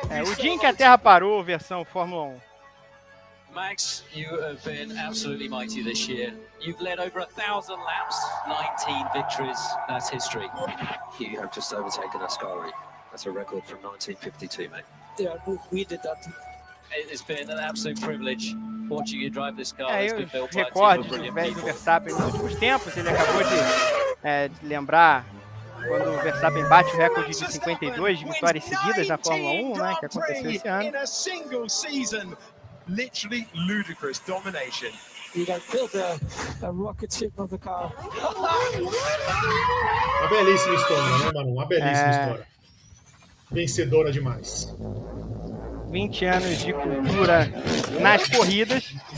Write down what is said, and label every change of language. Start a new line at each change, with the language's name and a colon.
Portuguese: O dia em que a Terra parou, versão Fórmula 1.
English: Max, you have been absolutely mighty this year. You've led over 1,000 laps, 19 victories. That's history. You have just overtaken Ascari. That's a record from 1952, mate. Yeah, we did that. It's been an absolute privilege watching you drive this car.
Portuguese: É, os recordes do Vettel Verstappen nos últimos tempos, ele acabou de lembrar quando o Verstappen bate o recorde de 52 vitórias seguidas na Fórmula 1, né, que aconteceu esse ano.
English: In a single season. Literally ludicrous domination. You got built a rocket ship of the car.
Portuguese: Uma belíssima história, né, Manu? Uma belíssima história. Vencedora demais. 20 anos de cultura nas corridas.